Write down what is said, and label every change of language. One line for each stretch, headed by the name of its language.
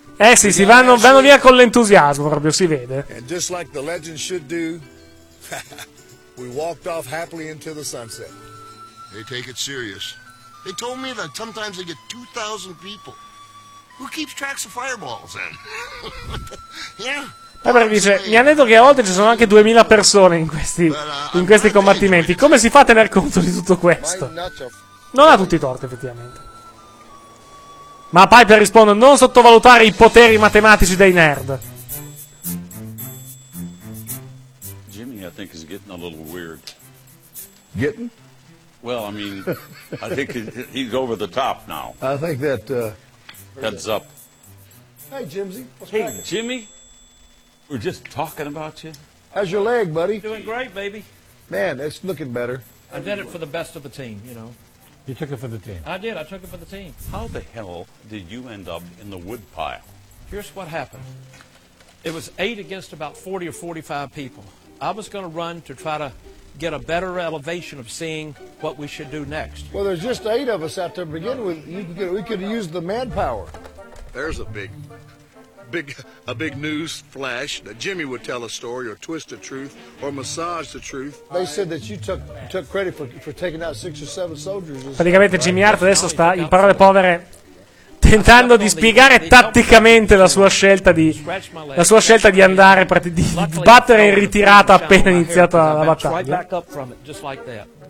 Italian: Eh sì, si vanno via con l'entusiasmo, proprio si vede.
English: And just like the legends should do, we walked off happily into the sunset. They take it serious. They told me that sometimes they get 2,000 people. Who keeps tracks of fireballs then? Yeah.
Italian: Vabbè, dice, mi hanno detto che a volte ci sono anche 2000 persone in questi combattimenti. Come si fa a tener conto di tutto questo? Non ha tutti i torti, effettivamente. Ma Piper risponde: non sottovalutare i poteri matematici dei nerd.
English: Jimmy, I think is getting a little weird. Getting? Well, I mean, I think he's over the top now. I think that heads up. Hey, Jimsy. Hey, Jimmy. We're just talking about you. How's your leg, buddy? Doing great, baby. Man, it's looking better. I did it for the best of the team, you know. You took it for the team. I did. I took it for the team. How the hell did you end up in the wood pile? Here's what happened. It was 8 against about 40 or 45 people. I was going to run to try to get a better elevation of seeing what we should do next. Well, there's just 8 of us out there to begin with. We could use the manpower. There's a big news flash that Jimmy would tell a story or twist the truth or massage the truth. They said that you took credit for taking out 6 or 7 soldiers.
Italian: Praticamente Jimmy Hart adesso sta, in parole povere, tentando di spiegare tatticamente la sua scelta di andare, di battere in ritirata appena iniziata la battaglia.